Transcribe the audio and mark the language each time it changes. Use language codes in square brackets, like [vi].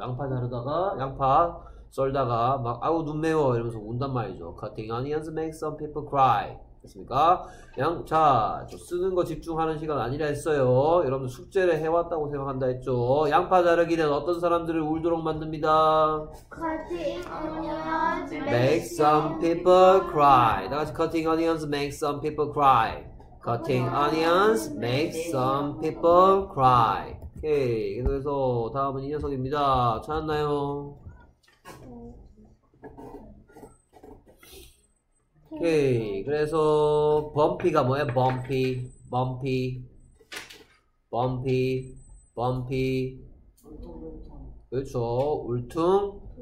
[ko] 양파 자르다가, 양파 썰다가 막 아우 눈 매워 이러면서 운단 말이죠. [en] Cutting onions makes some people cry. [ko] 됐습니까? 양, 자, 저 쓰는 거 집중하는 시간 아니라 했어요. 여러분들 숙제를 해왔다고 생각한다 했죠. 양파 자르기는 어떤 사람들을 울도록 만듭니다. [en] Cutting onions make some people cry. [ko] 다 같이 [en] cutting onions make some people cry. Cutting onions make some people cry. 오케이. [ko] 그래서 다음은 이 녀석입니다. 찾았나요? 오케이. 그래서 범피가 뭐예요? 범피. 범피. 범피. 범피. 그렇죠. 울퉁.